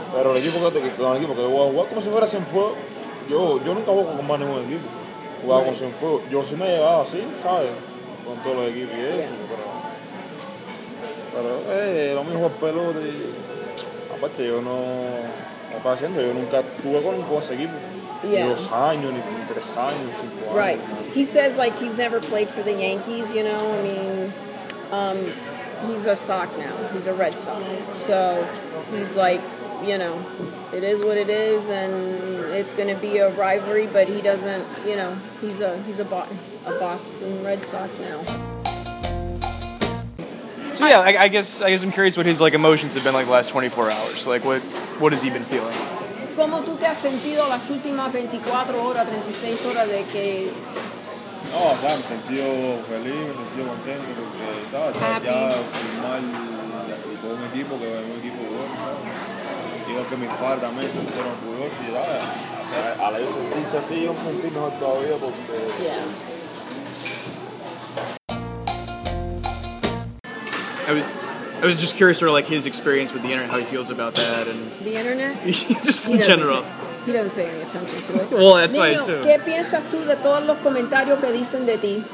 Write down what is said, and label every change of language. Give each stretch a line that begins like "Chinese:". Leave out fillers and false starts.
Spanish: Pero el equipo que yo voy a jugar como si fuera Cienfuegos. Yo nunca juego con más ningún equipo. Jugaba con Cienfuegos. Yo sí me he llegado así, ¿sabes? Con todos los equipos y eso, pero lo mismo es pelota y aparte yo nunca tuve con un buen equipo ni 2 años ni 3 años, 5 años.
English: Right, he says like he's never played for the Yankees, you know. I mean, he's a Sox now, he's a Red Sox, so he's like, you know, it is what it is and it's gonna be a rivalry, but he doesn't, you know, he's a Boston Red Sox now. So yeah, I guess I'm curious what his like emotions have been like the last 24 hours. Like what has he been feeling?
Spanish: ¿Cómo tú te has sentido las últimas 24 horas, 36 horas de que? No, ya me he sentido feliz, me he sentido contento porque estaba ya firmar todo un equipo que es un equipo bueno. Digo que mi padre también se sintió orgulloso y tal. O sea, al yo sentirse así, yo me sentí mejor todavía porque.
English: I was just curious, sort of like his experience with the internet, how he feels about that, and the internet, just in general. He doesn't pay any attention to it. Well, that's why. So,
Spanish: ¿qué piensas tú de todos los comentarios que dicen de ti?